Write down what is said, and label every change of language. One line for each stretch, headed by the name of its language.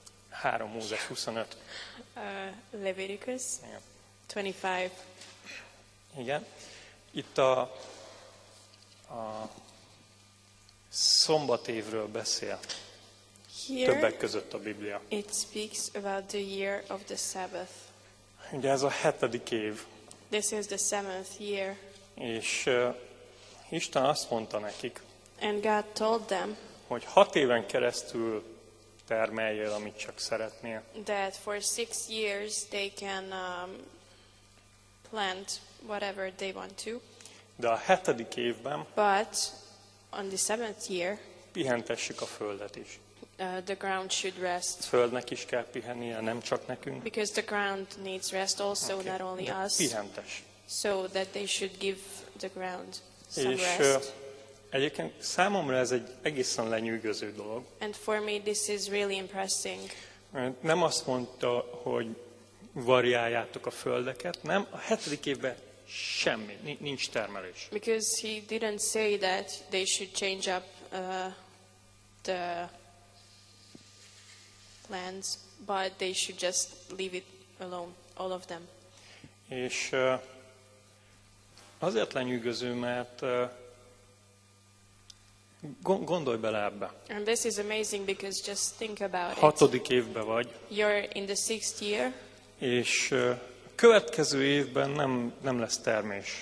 Hungarian: 3 Mózes 25.
English: Leviticus 25.
Hungarian: Igen. Itt a szombatévről beszél.
English: Here,
Hungarian: többek között a Biblia.
English: It speaks about the year of the Sabbath.
Hungarian: Ugye ez a hetedik év.
English: This is the seventh year.
Hungarian: És Isten azt mondta nekik,
English: and God told them,
Hungarian: hogy 6 éven keresztül termeljél, amit csak szeretnél.
English: That for 6 years they can plant whatever they want to.
Hungarian: De a hetedik évben,
English: but on the seventh year,
Hungarian: pihentessük a földet is.
English: The ground should rest.
Hungarian: Földnek is kell pihennie, nem csak nekünk.
English: Because the ground needs rest also, okay. Not only
Hungarian: de
English: us.
Hungarian: Pihentess.
English: So that they should give the ground.
Hungarian: És egyébként számomra ez egy egészen lenyűgöző dolog.
English: And for me this is really impressing.
Hungarian: Nem azt mondta, hogy variáljátok a földeket, nem, a hetedik évben semmi, nincs termelés.
English: Because he didn't say that they should change up the lands, but they should just leave it alone, all of them.
Hungarian: És azért lenyűgöző, mert gondolj bele ebbe.
English: And this is amazing because just think about it.
Hungarian: Hatodik évben vagy.
English: You're in the sixth year.
Hungarian: És következő évben nem lesz termés.